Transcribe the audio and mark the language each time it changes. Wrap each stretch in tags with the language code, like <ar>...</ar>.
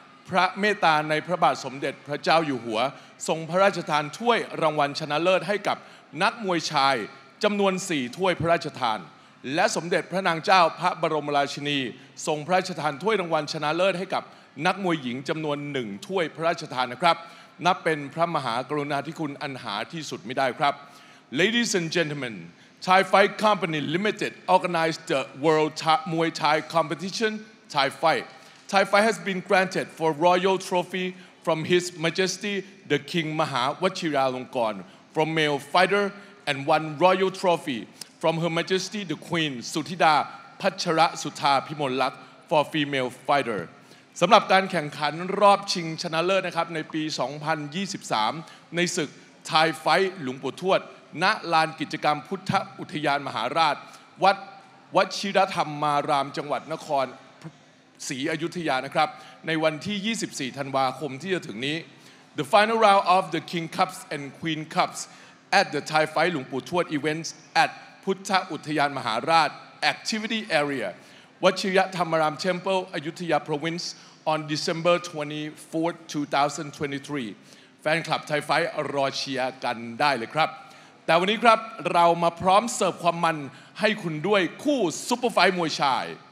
<th>พระเมตตาในพระบาทสมเด็จพระเจ้าอยู่หัวทรงพระราชทานถ้วยรางวัลชนะเลิศให้กับนักมวยชายจำนวน4ถ้วยพระราชทานและสมเด็จพระนางเจ้าพระบรมราชินีทรงพระราชทานถ้วยรางวัลชนะเลิศให้กับนักมวยหญิงจำนวน1ถ้วยพระราชทานนะครับนับเป็นพระมหากรุณาธิคุณอันหาที่สุดไม่ได้ครับ</th> <en>Ladies and gentlemen, Thai Fight Company Limited organized the World Muay Thai Competition, Thai Fight. Thai Fight has been granted for royal trophy from His Majesty the King Maha Vachiralongkorn from male fighter and one royal trophy from Her Majesty the Queen Suthida Pachara Sutha Pimolak for female fighter.</en> <th>สำหรับการแข่งขันรอบชิงชนะเลิศนะครับในปี2023ในศึก Thai Fight หลวงปู่ทวดณลานกิจกรรมพุทธอุทยานมหาราชวัดวชิรธรรมารามจังหวัดนคร ศรีอยุธยานะครับในวันที่24ธันวาคมที่จะถึงนี้</th> <en>The final round of the King Cups and Queen Cups at the Thai Fight หลวงปู่ทวด Events at พุทธอุทยานมหาราช Activity Area วชิรธรรมาราม Temple อยุธยา Province on December 24, 2023</en> <th>แฟนคลับ Thai Fight รอเชียร์กันได้เลยครับแต่วันนี้ครับเรามาพร้อมเสิร์ฟความมันให้คุณด้วยคู่ซุปเปอร์ไฟท์มวยชาย</th>